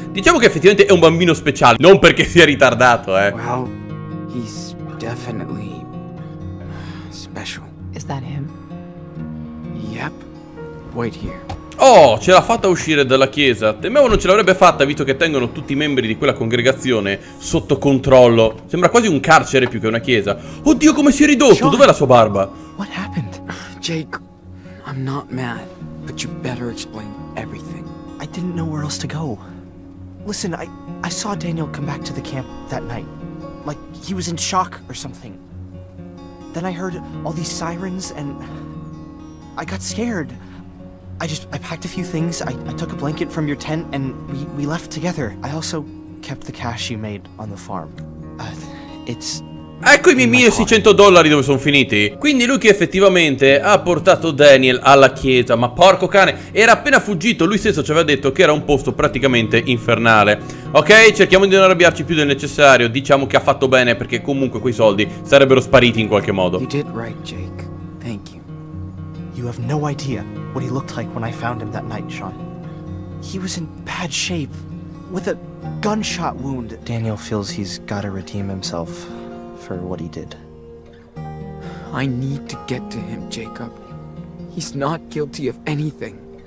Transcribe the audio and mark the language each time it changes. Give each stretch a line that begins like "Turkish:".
Italian: Diciamo che effettivamente è un bambino speciale, non perché sia ritardato,
English: Well, he's definitely special. Is that him? Yep. Wait here.
Italian: Oh, ce l'ha fatta uscire dalla chiesa. Temevo non ce l'avrebbe fatta, visto che tengono tutti i membri di quella congregazione sotto controllo. Sembra quasi un carcere più che una chiesa. Oddio, come si è ridotto! Dov'è la sua barba?
English: What happened? Jake, I'm not mad, but you better explain everything. I didn't know where else to go. Listen, I saw Daniel come back to the camp that night. Like he was in shock or something. Then I heard all these sirens and I got scared. I packed a few things. I took a blanket from your tent and we left together. I also kept the cash you made on the farm.
Italian: It's ecco i miei $1,600 dove sono finiti. Quindi lui che effettivamente ha portato Daniel alla chiesa. Ma porco cane, era appena fuggito. Lui stesso ci aveva detto che era un posto praticamente infernale. Ok, cerchiamo di non arrabbiarci più del necessario. Diciamo che ha fatto bene, perché comunque quei soldi sarebbero spariti in qualche modo.
English: You did right, Jake. Thank you. You have no idea what he looked like when I found him that night, Sean. He was in bad shape, with a gunshot wound. Daniel feels he's gotta redeem himself for what he did. I need to get to him, Jacob. He's not guilty of anything.